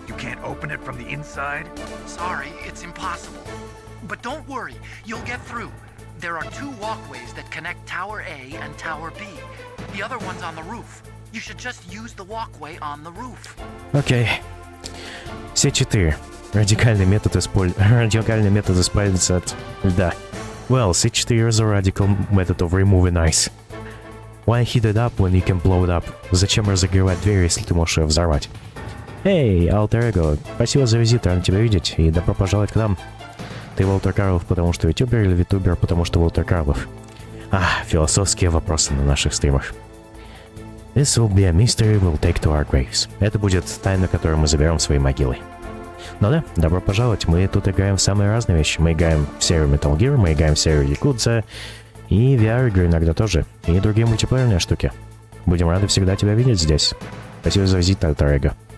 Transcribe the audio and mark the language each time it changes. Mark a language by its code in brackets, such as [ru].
[en] You can't open it from the inside? Sorry, it's impossible. But don't worry, you'll get through. There are two walkways that connect Tower A and Tower B. The other one's on the roof. You should just use the walkway on the roof. [ru] Okay. Все четыре. Радикальный метод избавиться от льда. [en] Well, C4 is a radical method of removing ice. Why heat it up when you can blow it up? [ru] Зачем разогревать дверь, если ты можешь ее взорвать? Эй, Alter Ego, спасибо за визит, рад тебя видеть, и добро пожаловать к нам. Ты Волтер Карлов, потому что ютубер, или витубер, потому что Волтер Карлов? Ах, философские вопросы на наших стримах. [en] This will be a mystery we'll take to our graves. [ru] Это будет тайна, которую мы заберем в свои могилы. Ну да, добро пожаловать, мы тут играем в самые разные вещи. Мы играем в серию Metal Gear, мы играем в серию Якудза, и VR-игры иногда тоже, и другие мультиплеерные штуки. Будем рады всегда тебя видеть здесь. Спасибо за визит, Alter Ego.